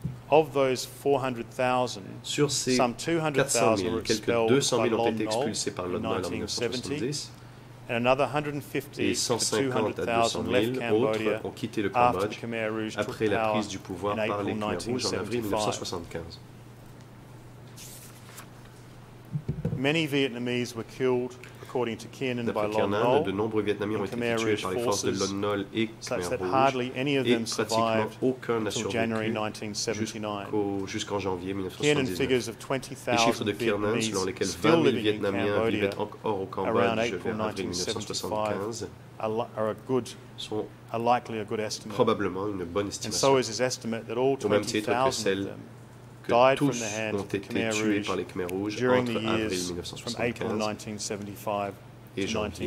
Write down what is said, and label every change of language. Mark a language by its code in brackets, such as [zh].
[en] of those 400,000, some 200,000 were expelled by Lon Nol in 1970, and another 150,000 to 200,000 left Cambodia after the Khmer Rouge took power in April 1975. Many Vietnamese were killed, according to Kiernan, by Lon Nol. [fr] De nombreux Vietnamiens ont été tués par les forces de Lon Nol et Khmer Rouge. [en] Such that hardly any of them survived until January 1979. [fr] Jusqu'en janvier [en] 1979. Kiernan figures of 20,000 [fr] les chiffres de Kiernan, selon lesquels 20 000 Vietnamiens vivaient encore au Cambodge vers avril 1975, sont probablement une bonne estimation. [en] And so is his estimate that all 20,000 [fr] que tous ont été tués par les Khmers Rouges entre avril 1975 et janvier